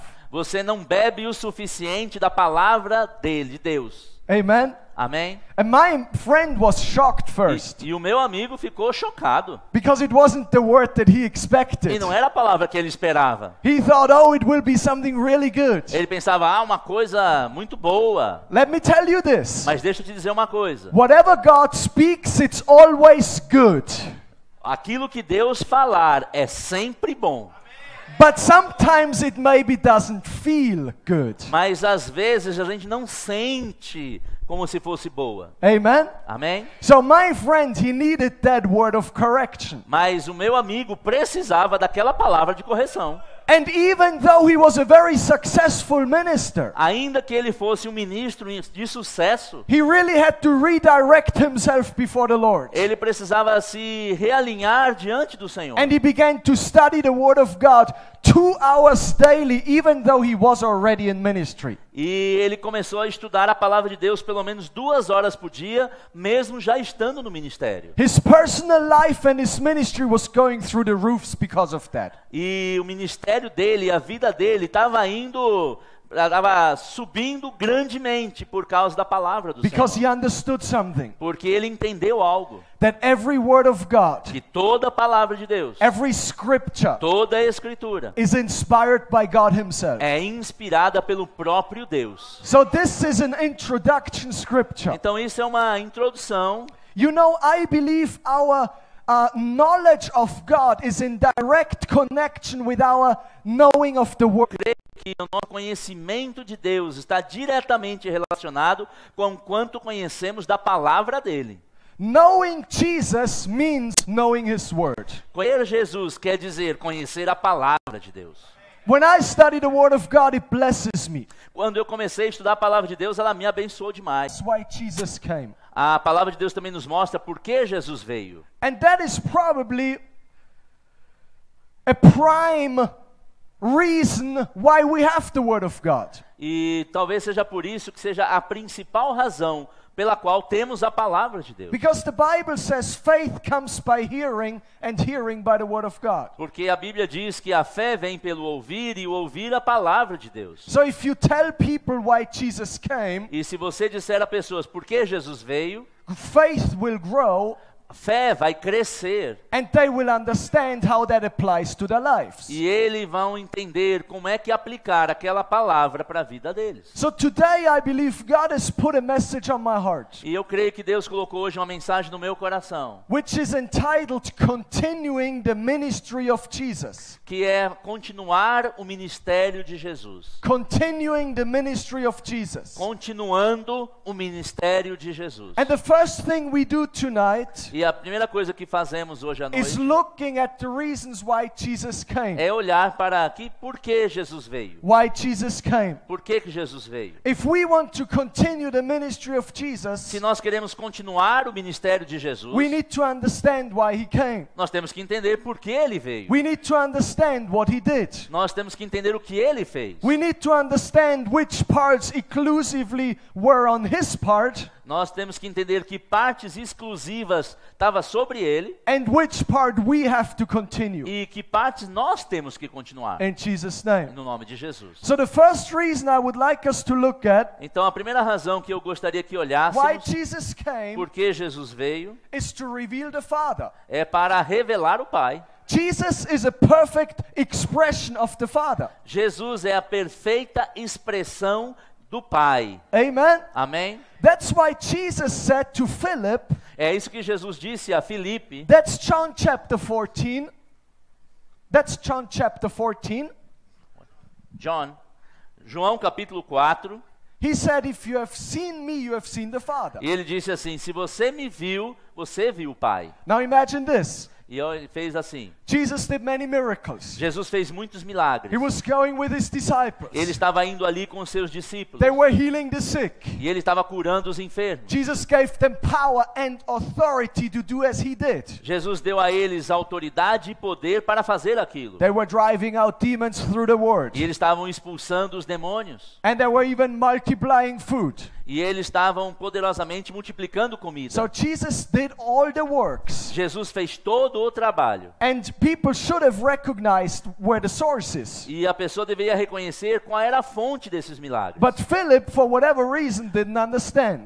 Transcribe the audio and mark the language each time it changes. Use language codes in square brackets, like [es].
[pt] Você não bebe o suficiente da palavra dele, de Deus. [en] Amen. [pt] Amém. [en] And my friend was shocked first. [pt] E o meu amigo ficou chocado. [en] Because it wasn't the word that he expected. [pt] E não era a palavra que ele esperava. [en] He thought, oh, it will be something really good. [pt] Ele pensava, ah, uma coisa muito boa. [en] Let me tell you this. [pt] Mas deixa eu te dizer uma coisa. [en] Whatever God speaks, it's always good. [pt] Aquilo que Deus falar é sempre bom. [en] But sometimes it maybe doesn't feel good. [pt] Mas às vezes a gente não sente como se fosse boa. [en] Amen. [pt] Amém. [en] So my friend, he needed that word of correction. [pt] Mas o meu amigo precisava daquela palavra de correção. [en] And even though he was a very successful minister, [pt] ainda que ele fosse um ministro de sucesso, [en] he really had to redirect himself before the Lord. [pt] Ele precisava se realinhar diante do Senhor. [en] And he began to study the word of God 2 hours daily, even though he was already in ministry. [pt] E ele começou a estudar a palavra de Deus pelo menos 2 horas por dia, mesmo já estando no ministério. [en] His personal life and his ministry was going through the roofs because of that. [pt] E o ministério dele, a vida dele, estava indo estava subindo grandemente por causa da palavra do [en] Because [pt] Senhor. [en] He understood something. [pt] Porque ele entendeu algo. [en] That every word of God, [pt] que toda a palavra de Deus, [en] every scripture, [pt] toda a escritura, [en] is inspired by God himself. [pt] É inspirada pelo próprio Deus. [en] So this is an introduction scripture. [pt] Então isso é uma introdução. [en] You know, I believe our knowledge of God is in direct connection with our knowing of the word. [pt] Creio que o nosso conhecimento de Deus está diretamente relacionado com quanto conhecemos da palavra dele. [en] Knowing Jesus means knowing his word. [pt] Conhecer Jesus quer dizer conhecer a palavra de Deus. [en] When I study the word of God, it blesses me. [pt] Quando eu comecei a estudar a palavra de Deus, ela me abençoou demais. [en] That's why Jesus came. [pt] A palavra de Deus também nos mostra por que Jesus veio. [en] And that is probably a prime reason why we have the word of God. [pt] E talvez seja por isso que seja a principal razão pela qual temos a palavra de Deus. [en] Because the Bible says faith comes by hearing and hearing by the word of God. [pt] Porque a Bíblia diz que a fé vem pelo ouvir e ouvir a palavra de Deus. [en] So if you tell people why Jesus came, [pt] e se você disser a pessoas por que Jesus veio, [en] faith will grow, [pt] fé vai crescer, [en] and they will understand how that applies to their lives. [pt] E eles vão entender como é que aplicar aquela palavra para a vida deles. [en] So today I believe God has put a message on my heart. [pt] E eu creio que Deus colocou hoje uma mensagem no meu coração, [en] which is entitled Continuing the Ministry of Jesus. [pt] Que é continuar o ministério de Jesus. [en] Continuing the Ministry of Jesus. [pt] Continuando o ministério de Jesus. [en] And the first thing we do tonight, [pt] e a primeira coisa que fazemos hoje à noite, [en] is looking at the reasons why Jesus came. [pt] É olhar para aqui por que Jesus veio. [en] Why Jesus came. [pt] Por que que Jesus veio? [en] If we want to continue the ministry of Jesus, [pt] se nós queremos continuar o ministério de Jesus, [en] we need to understand why he came. [pt] Nós temos que entender por que ele veio. [en] We need to understand what he did. [pt] Nós temos que entender o que ele fez. [en] We need to understand which parts exclusively were on his part. [pt] Nós temos que entender que partes exclusivas estava sobre ele. [en] And which part we have to continue. [pt] E que partes nós temos que continuar. [en] In Jesus' name. [pt] No nome de Jesus. [en] So the first reason I would like us to look at, [pt] então a primeira razão que eu gostaria que olhássemos, [en] why Jesus came, [pt] porque Jesus veio, [en] is to reveal the Father. [pt] É para revelar o Pai. [en] Jesus is a perfect expression of the Father. [pt] Jesus é a perfeita expressão do Pai. [en] Amen. [pt] Amém. [en] That's why Jesus said to Philip. [pt] É isso que Jesus disse a Filipe. [en] That's John chapter 14. That's John chapter 14. [pt] João capítulo 4. [en] He said, if you have seen me, you have seen the Father. [pt] E ele disse assim: se você me viu, você viu o Pai. [en] Now imagine this. [pt] E ele fez assim. [en] Jesus did many miracles. [pt] Jesus fez muitos milagres. [en] He was going with his disciples. [pt] Ele estava indo ali com seus discípulos. [en] They were healing the sick. [pt] E ele estava curando os enfermos. [en] Jesus gave them power and authority to do as he did. [pt] Jesus deu a eles autoridade e poder para fazer aquilo. [en] They were driving out demons through the word. [pt] E eles estavam expulsando os demônios. [en] And they were even multiplying food. [pt] E eles estavam poderosamente multiplicando comida. [en] So Jesus did all the works. [pt] Jesus fez todo o trabalho. [en] And people should have recognized where the source is. [pt] E a pessoa deveria reconhecer qual era a fonte desses milagres. [en] But Philip, for whatever reason, didn't understand.